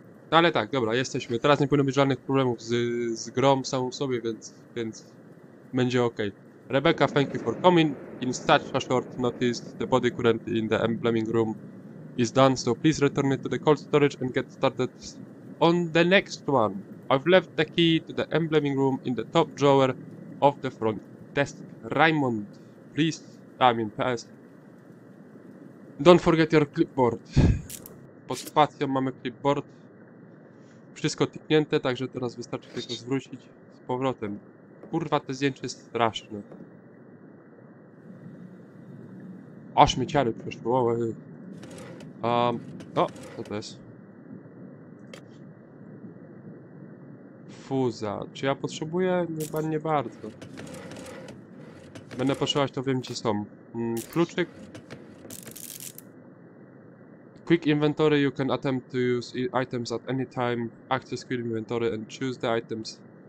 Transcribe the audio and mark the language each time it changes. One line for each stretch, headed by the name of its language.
Polish: Ale tak, dobra, jesteśmy. Teraz nie powinno być żadnych problemów z grą samą w sobie, więc będzie ok.
English: Rebecca, thank you for coming. In such a short notice, the body current in the embleming room is done, so please return it to the cold storage and get started on the next one. I've left the key to the embleming room in the top drawer of the front desk. Raymond, please, pass. Don't forget your clipboard.
Polish: Pod spacją mamy clipboard. Wszystko tipnięte, także teraz wystarczy tylko zwrócić z powrotem. Kurwa, to zdjęcie jest straszne. Aż mi ciary przeszło. O, co to jest? Fuza. Czy ja potrzebuję? Chyba nie bardzo. Będę potrzebować, to wiem, gdzie są. Kluczyk.
English: Quick inventory. You can attempt to use items at any time. Access quick inventory and choose the items.